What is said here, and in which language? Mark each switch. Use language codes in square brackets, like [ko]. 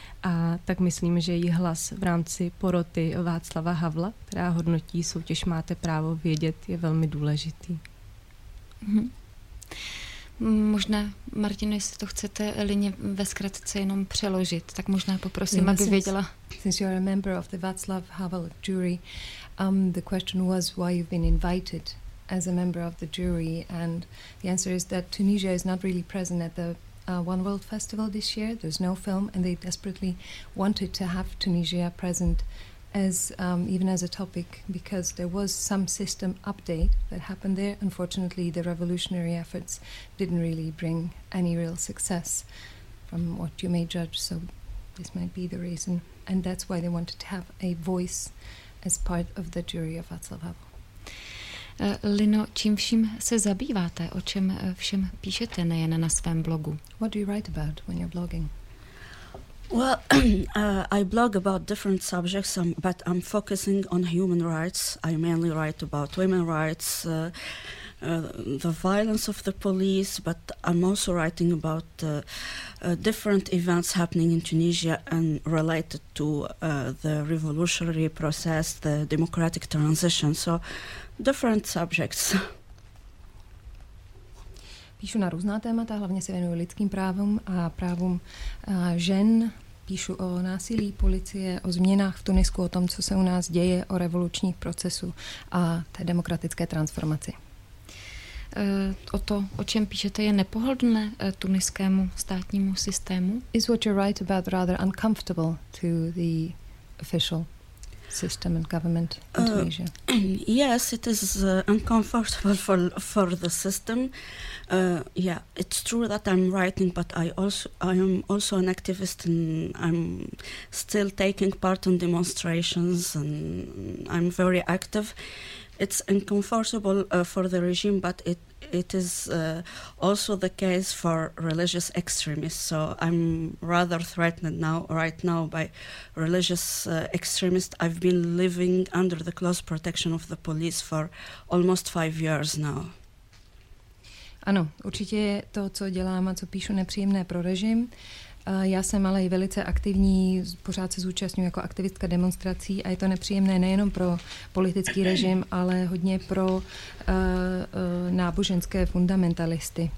[cs] A tak myslím, že její hlas v rámci poroty Václava Havla, která hodnotí soutěž Máte právo vědět, je velmi důležitý. Možná, Martino, jestli to chcete Lině ve zkratce jenom přeložit, tak možná poprosím, aby věděla. [en] Since you are a member of the Václav Havel jury, the question was why you've been invited as a member of the jury, and the answer is that Tunisia is not really present at the One World Festival this year. There's no film, and they desperately wanted to have Tunisia present as even as a topic, because there was some system update that happened there. Unfortunately, the revolutionary efforts didn't really bring any real success, from what you may judge. So this might be the reason, and that's why they wanted to have a voice as part of the jury of Václav Havel. [cs] Lino, čím vším se zabýváte, o čem všem píšete, nejen na svém blogu? [en] What do you write about when you're blogging? Well, I blog about different subjects, but I'm focusing on human rights. I mainly write about women's rights, the violence of the police, but I'm also writing about different events happening in Tunisia and related to the revolutionary process, the democratic transition. So, different subjects. [cs] Píšu na různá témata, hlavně se věnuju lidským právům a právům žen. Píšu o násilí policie, o změnách v Tunisku, o tom, co se u nás děje, o revolučních procesu a té demokratické transformaci. O to, o čem píšete, je nepohodlné tuniskému státnímu systému? [en] Is what you write about rather uncomfortable to the official system and government in Tunisia? Yes, it is uncomfortable for the system. Yeah, it's true that I'm writing, but I am also an activist, and I'm still taking part in demonstrations, and I'm very active. It's uncomfortable for the regime, but it is also the case for religious extremists. So I'm rather threatened right now by religious extremists. I've been living under the close protection of the police for almost 5 years now. [cs] Ano, určitě je to, co dělám a co píšu, nepříjemné pro režim. Já jsem ale i velice aktivní, pořád se zúčastňuji jako aktivistka demonstrací a je to nepříjemné nejenom pro politický režim, ale hodně pro náboženské fundamentalisty.